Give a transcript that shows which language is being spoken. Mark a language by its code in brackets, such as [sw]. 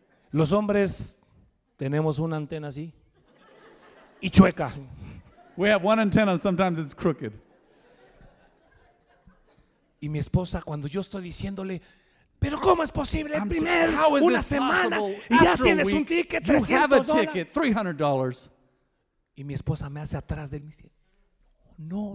[es] Los hombres tenemos una antena así y chueca. [en] We have one antenna, sometimes it's crooked. [es] Y mi esposa, cuando yo estoy diciéndole, pero ¿cómo es posible? Primero, una semana, y ya tienes un ticket, $300. Y mi esposa me hace atrás de él, me dice, no.